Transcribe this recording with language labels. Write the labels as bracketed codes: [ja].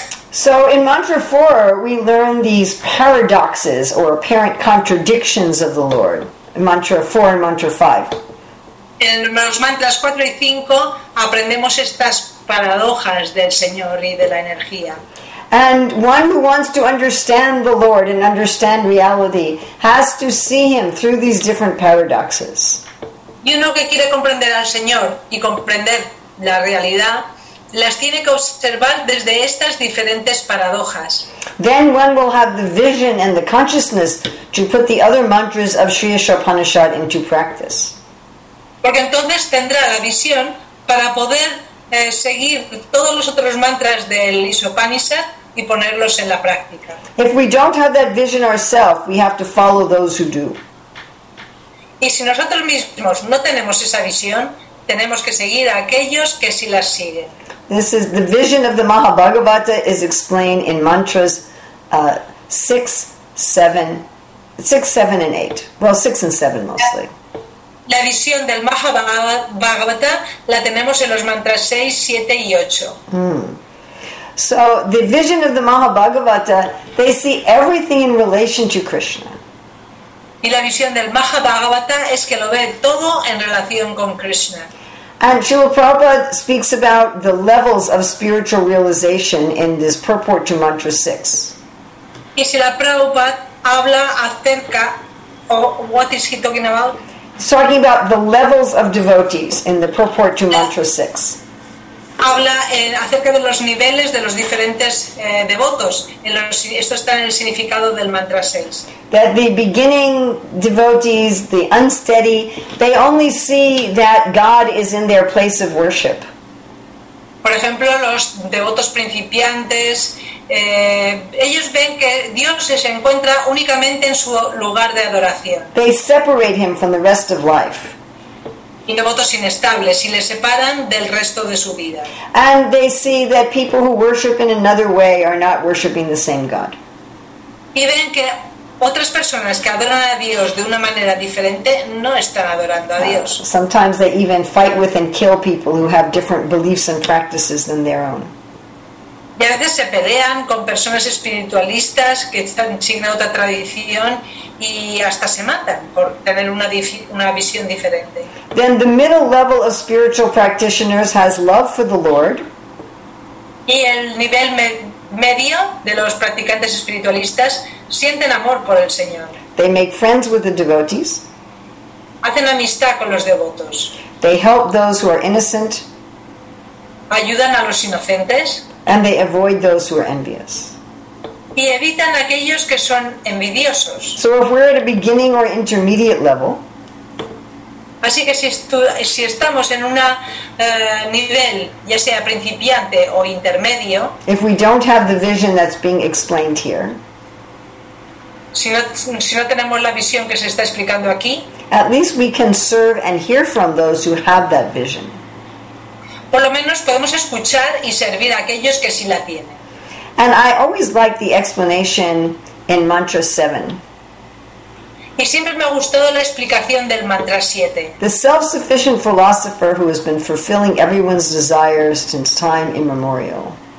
[en] So in Mantra 4, we learn these paradoxes or apparent contradictions of the Lord. Mantra 4 and Mantra 5. [es] En los mantras 4 y 5 aprendemos estas paradojas del Señor y de la energía. [en] And one who wants to understand the Lord and understand reality has to see him through these different paradoxes. [es] Y uno que quiere comprender al Señor y comprender la realidad las tiene que observar desde estas diferentes paradojas. [en] Then one will have the vision and the consciousness to put the other mantras of Sri Isha Upanishad into practice. [es] Porque entonces tendrá la visión para poder seguir todos los otros mantras del Isopanishad y ponerlos en la práctica. [en] If we don't have that vision ourselves, we have to follow those who do. [es] Y si nosotros mismos no tenemos esa visión, tenemos que seguir a aquellos que sí las siguen. [en] This is the vision of the Mahabhagavata is explained in mantras 6, 7 and 8, mostly. [es] La visión del Mahabhagavata la tenemos en los mantras 6, 7 y 8. [en] So the vision of the Mahabhagavata, they see everything in relation to Krishna. [es] Y la visión del Mahabhagavata es que lo ve todo en relación con Krishna. [en] And Srila Prabhupada speaks about the levels of spiritual realization in this purport to Mantra 6. [es] Y Srila Prabhupada habla acerca, [en] or what is he talking about? He's talking about the levels of devotees in the purport to Mantra 6. [es] Habla acerca de los niveles de los diferentes devotos. Esto está en el significado del Mantra 6. [en] That the beginning devotees, the unsteady, they only see that God is in their place of worship. [es] Por ejemplo, los devotos principiantes, ellos ven que Dios se encuentra únicamente en su lugar de adoración. [en] They separate him from the rest of life. [es] Y devotos inestables y les separan del resto de su vida. [en] And they see that people who worship in another way are not worshiping the same God. [es] Y ven que otras personas que adoran a Dios de una manera diferente no están adorando a Dios. [en] Sometimes they even fight with and kill people who have different beliefs and practices than their own. [es] Y a veces se pelean con personas espiritualistas que están siguen otra tradición y hasta se matan por tener una visión diferente. [en] Then the middle level of spiritual practitioners has love for the Lord. [es] Y el nivel medio de los practicantes espiritualistas sienten amor por el Señor. [en] They make friends with the devotees. [es] Hacen amistad con los devotos. [en] They help those who are innocent. [es] Ayudan a los inocentes. [en] And they avoid those who are envious. [es] Y evitan aquellos que son envidiosos. [en] So if we're at a beginning or intermediate level, [es] Así que si estamos en un nivel, ya sea principiante o intermedio, [en] if we don't have the vision that's being explained here, [es] si no tenemos la visión que se está explicando aquí, [en] at least we can serve and hear from those who have that vision. [es] Por lo menos podemos escuchar y servir a aquellos que sí la tienen. [en] And I always like the explanation in Mantra 7. [es] Y siempre me ha gustado la explicación del Mantra 7. [en] The self-sufficient philosopher who has been fulfilling everyone's desires since time immemorial.